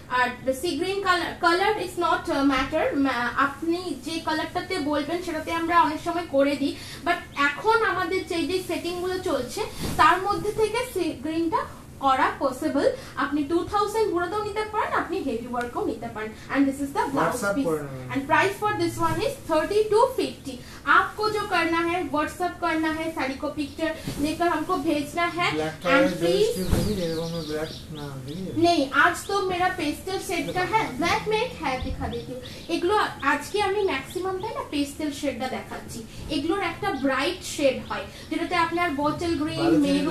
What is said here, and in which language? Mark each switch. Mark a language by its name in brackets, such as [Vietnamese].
[Bangla] আর sea green colour [English] is not matter, [Bangla] আপনি যে কালারটাতে বলবেন সেটাতে আমরা অনেক সময় করে দিই। বাট এখন আমাদের যে সেটিং গুলো চলছে তার মধ্যে থেকে সি গ্রিনটা করা পসিবল। আপনি 2000 বুড়াতেও নিতে পারেন, আপনি হেভি ওয়ার্কও নিতে পারেন। [English] And this is the blouse piece and price for this one is 3250। [Hindi] आपको जो करना है व्हाट्सएप करना है, साड़ी को पिक्चर लेकर हमको भेजना है। नहीं, आज तो मेरा पेस्टल शेड का है, ब्लैक में एक है दिखा देती हूँ। [Bangla] एगलो आज की আমি ম্যাক্সিমাম তাই না পেস্টেল শেডটা দেখাচ্ছি। এগুলোর একটা ব্রাইট শেড হয় যেটাতে আপনি আর বটল গ্রিন মেরুন